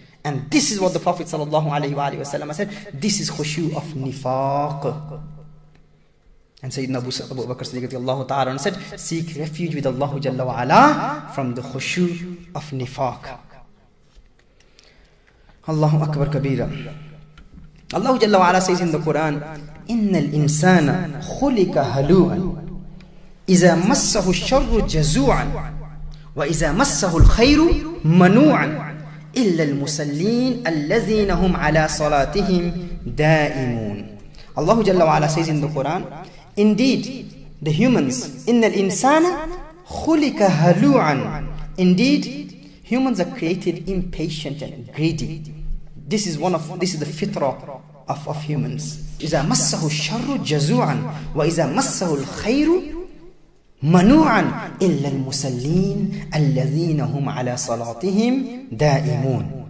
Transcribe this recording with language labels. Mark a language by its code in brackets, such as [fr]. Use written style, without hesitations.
[en] And this is what the Prophet Sallallahu Alaihi Wa'alaihi Wasallam said, this is khushu of nifaq. And Sayyidina Abu Bakr Siddiq Allahu Ta'ala said, seek refuge with Allahu Jalla Wa'ala from the khushu of nifaq. [ar] Allahu Akbar Kabira. [en] Allahu Jalla Wa'ala says in the Quran, [ar] إِنَّ الْإِنسَانَ خُلِكَ هَلُوعًا إِذَا مَسَّهُ الشَّرُّ جَزُوعًا وَإِذَا مَسَّهُ الْخَيْرُ مَنُوعًا إِلَّا الْمُسَلِّينَ الَّذِينَ هُمْ عَلَىٰ صَلَاتِهِمْ دَائِمُونَ. [en] Allahu Jalla Wa'ala says in the Quran, indeed, the humans, [ar] إِنَّ الْإِنسَانَ خُلِكَ هَلُوعًا. [en] Indeed, humans are created impatient and greedy. This is the fitrah of humans. [ar] إِذَا مَسَّهُ الشَّرُّ جَزُوعًا وَإِذَا مَسَّهُ الْخَيْرُ مَنُوعًا إِلَّا الْمُسَلِّينَ الَّذِينَ هُمْ عَلَىٰ صَلَاتِهِمْ دَائِمُونَ.